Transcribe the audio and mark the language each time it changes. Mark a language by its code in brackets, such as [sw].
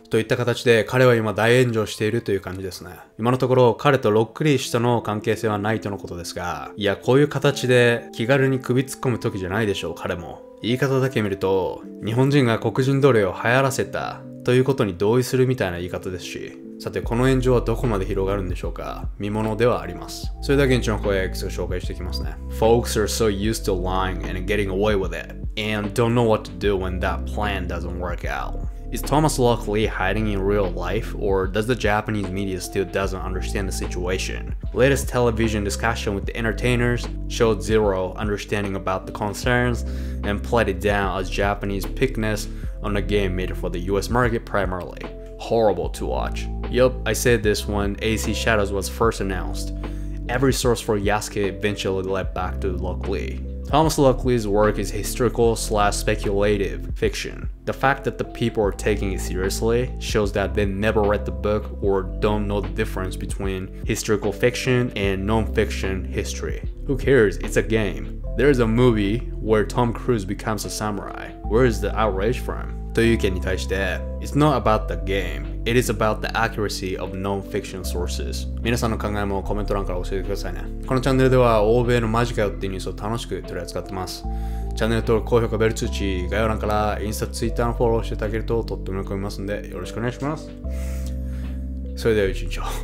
[ja] といった形で彼は今大炎上しているという感じですね。今のところ彼とロックリー氏との関係性はないとのことですが、いや、こういう形で気軽に首突っ込む時じゃないでしょう。彼も言い方だけ見ると日本人が黒人奴隷を流行らせたということに同意するみたいな言い方ですし、さてこの炎上はどこまで広がるんでしょうか。見物ではあります。それでは現地の声をいくつか紹介していきますね。 [en] Folks are so used to lying and getting away with it and don't know what to do when that plan doesn't work out. Is Thomas Lockley hiding in real life or does the Japanese media still doesn't understand the situation? Latest television discussion with the entertainers showed zero understanding about the concerns and played it down as Japanese pickiness on a game made for the US market primarily. Horrible to watch. Yup, I said this when AC Shadows was first announced. Every source for Yasuke eventually led back to Lockley. Thomas Lockley's work is historical slash speculative fiction. The fact that the people are taking it seriously shows that they never read the book or don't know the difference between historical fiction and non-fiction history. Who cares? It's a game. There's a movie where Tom Cruise becomes a samurai. Where is the outrage from? [ja] という意見に対して、 [en] It's not about the game. It is about the accuracy of non-fiction sources. [ja] 皆さんの考えもコメント欄から教えてくださいね。このチャンネルでは欧米のマジかよっていうニュースを楽しく取り扱ってます。チャンネル登録、高評価、ベル通知、概要欄からインスタ、ツイッターのフォローしていただけるととっても喜びますんで、よろしくお願いします。それでは一日を。